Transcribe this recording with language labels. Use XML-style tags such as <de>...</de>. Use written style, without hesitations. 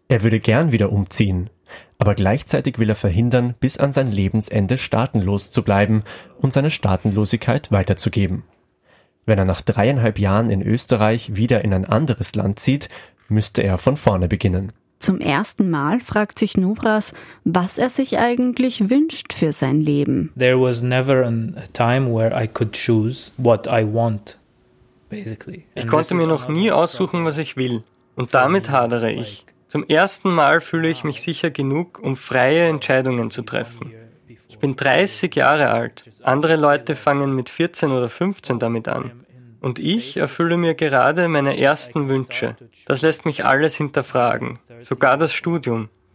<de>Er würde gern wieder umziehen, aber gleichzeitig will er verhindern, bis an sein Lebensende staatenlos zu bleiben und seine Staatenlosigkeit weiterzugeben. Wenn er nach 3,5 Jahren in Österreich wieder in ein anderes Land zieht, müsste er von vorne beginnen. Zum ersten Mal fragt sich Novras, was er sich eigentlich wünscht für sein Leben.</de> <en>There was never a time where I could choose what I want, basically.</en> <de>Ich konnte mir noch nie aussuchen, was ich will. Und damit hadere ich. Zum ersten Mal fühle ich mich sicher genug, um freie Entscheidungen zu treffen. Ich bin 30 Jahre alt. Andere Leute fangen mit 14 oder 15 damit an. Und ich erfülle mir gerade meine ersten Wünsche. Das lässt mich alles hinterfragen, sogar das Studium.</de>